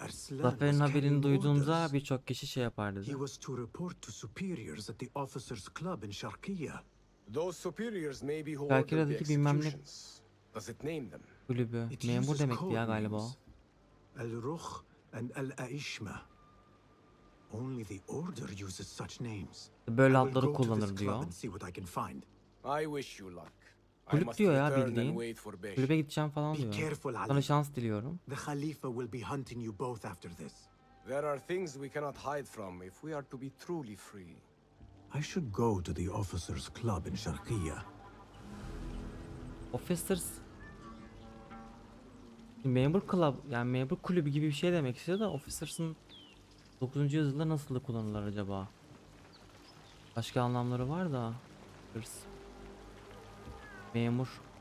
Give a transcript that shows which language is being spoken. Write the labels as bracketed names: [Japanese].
[Turkish] Zafer'in haberini duyduğumda birçok kişi şey yapardı. [English] He was to report to superiors at the officers' club in Sharkiyya. Those superiors may be who ordered the executions. Does it name them? [Turkish] Kulübü. Memur demekti ya galiba. [English] El Ruh and El Aishma. Only the order uses such names. [Turkish] Böyle adları kullanır diyor. [English] I wish you luck. [Turkish] Kulüp diyor ya bildiğin. Kulübe gideceğim falan diyor. Sana şans diliyorum. [English] The Khalifa will be hunting you both after this. There are things we cannot hide from if we are to be truly free. I should go to the officers club in Sharkiyya. Officers? [Turkish] Memur club, yani memur kulübü gibi bir şey demek istiyor da officers'ın 9. yüzyılda nasıl kullanılır acaba? Başka anlamları var da. Hırs. Memur.